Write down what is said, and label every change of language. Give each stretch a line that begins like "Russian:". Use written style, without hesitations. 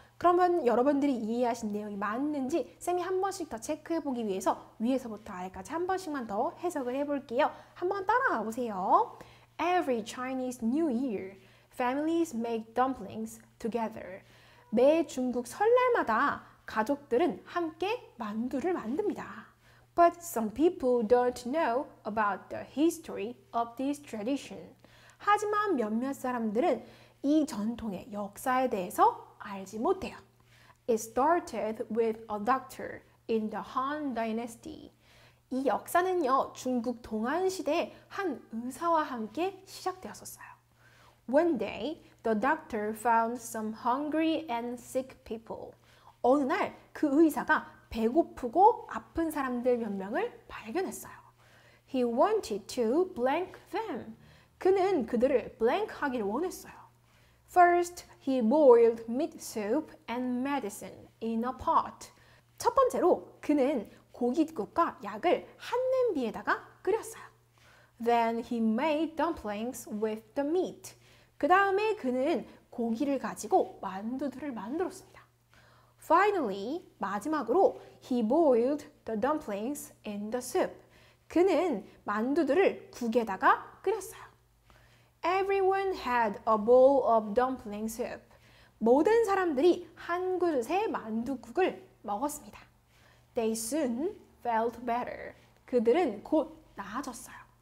Korean: 그러면 여러분들이 이해하신 내용이 맞는지 쌤이 한 번씩 더 체크해보기 위해서 위에서부터 아래까지 한 번씩만 더 해석을 해볼게요. 한번 따라와 보세요.
English: Every Chinese New Year, families make dumplings together.
Korean: 매 중국 설날마다 가족들은 함께 만두를 만듭니다.
English: But some people don't know about the history of this tradition.
Korean: 하지만 몇몇 사람들은 이 전통의 역사에 대해서 알지 못해요.
English: It started with a doctor in the Han Dynasty.
Korean: 이 역사는요, 중국 동안시대에 한 의사와 함께 시작되었었어요.
English: One day, the doctor found some hungry and sick people.
Korean: 어느 날 그 의사가 배고프고 아픈 사람들 몇 명을 발견했어요.
English: He wanted to blank them.
Korean: 그는 그들을 blank 하기를 원했어요.
English: First, he boiled meat soup and medicine in a pot.
Korean: 첫 번째로 그는 고깃국과 약을 한 냄비에다가 끓였어요.
English: Then he made dumplings with the meat.
Korean: 그 다음에 그는 고기를 가지고 만두들을 만들었습니다.
English: Finally,
Korean: 마지막으로
English: he boiled the dumplings in the soup.
Korean: 그는 만두들을 국에다가 끓였어요.
English: Everyone had a bowl of dumpling soup.
Korean: 모든 사람들이 한 그릇의 만두국을 먹었습니다.
English: They soon felt better.
Korean: 그들은 곧 나아졌어요.